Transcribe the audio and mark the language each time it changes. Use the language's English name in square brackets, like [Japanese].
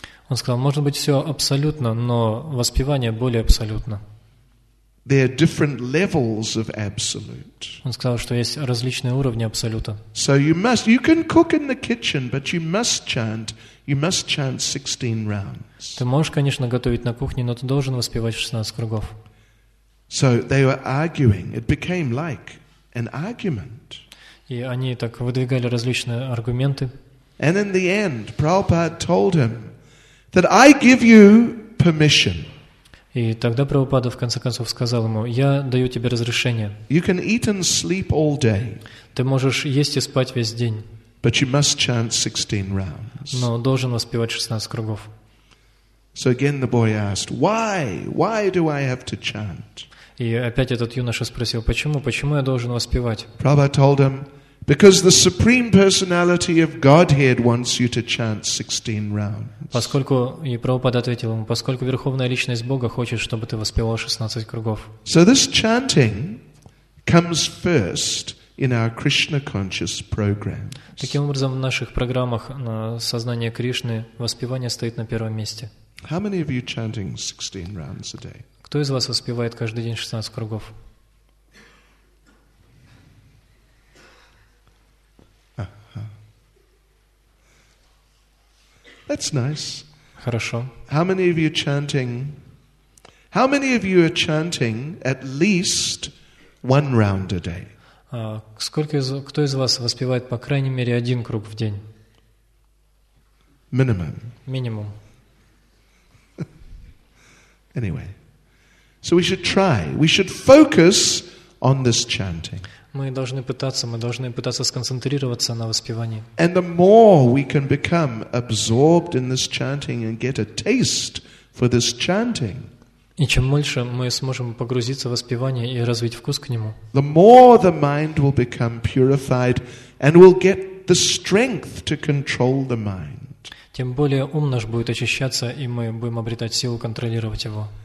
[Russian] Он сказал, может быть все абсолютно, но воспевание более абсолютно. [English] There are different levels of absolute. [Russian] Он сказал, что есть различные уровни абсолюта. [English] So you can cook in the kitchen, but you must chant 16 rounds. [Russian] Ты можешь, конечно, готовить на кухне, но ты должен воспевать 16 кругов. [English] So they were arguing. It became like an argument. [Russian] И они так выдвигали различные аргументы. [English] And in the end, Prabhupada told him that I give you permission. [Russian] И тогда Прабхупада в конце концов сказал ему: я даю тебе разрешение. [English] You can eat and sleep all day. [Russian] Ты можешь есть и спать весь день. [English] But you must chant 16 rounds. [Russian] Но должен воспевать 16 кругов. [English] So again the boy asked, why? Why do I have to chant? [Russian] И опять этот юноша спросил: почему? Почему я должен воспевать? [English] Prabhupada told him, because the Supreme Personality of Godhead wants you to chant 16 rounds. [Russian] Поскольку, и Прабхупада ответил ему, поскольку Верховная Личность Бога хочет, чтобы ты воспевал 16 кругов. [English] So this chanting comes first in our Krishna conscious programs. [Russian] Таким образом, в наших программах на сознание Кришны воспевание стоит на первом месте. [English] How many of you chanting 16 rounds a day? [Russian] Кто из вас воспевает каждый день 16 кругов? [English] Uh-huh. That's nice. [Russian] Хорошо. [English] How many of you chanting? How many of you are chanting at least one round a day? [Russian] Кто из вас воспевает по крайней мере один круг в день? [English] Minimum. [Russian] Минимум. [English] Anyway, so we should try. We should focus on this chanting. [Russian] Мы должны пытаться сконцентрироваться на воспевании. [English] And the more we can become absorbed in this chanting and get a taste for this chanting, [Russian] и чем больше мы сможем погрузиться в воспевание и развить вкус к нему, [English] the more the mind will become purified and will get the strength to control the mind. [Russian] Тем более ум наш будет очищаться, и мы будем обретать силу контролировать его.